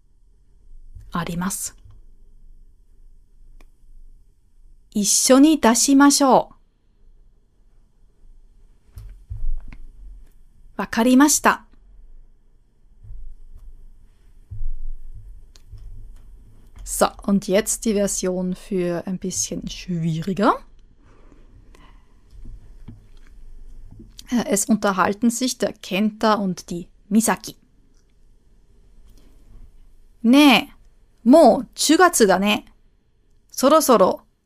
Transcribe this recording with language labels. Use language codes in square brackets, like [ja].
[ja] しまいます。冬服はどこですか?冬服はどこですか?クローゼットにあります。クローゼットにあります。一緒に出しましょう。わかりました。 [de] So, und jetzt die Version für ein bisschen schwieriger. Es unterhalten sich der Kenta und die Misaki. [ja] ねえ、もう10月だね。そろそろ。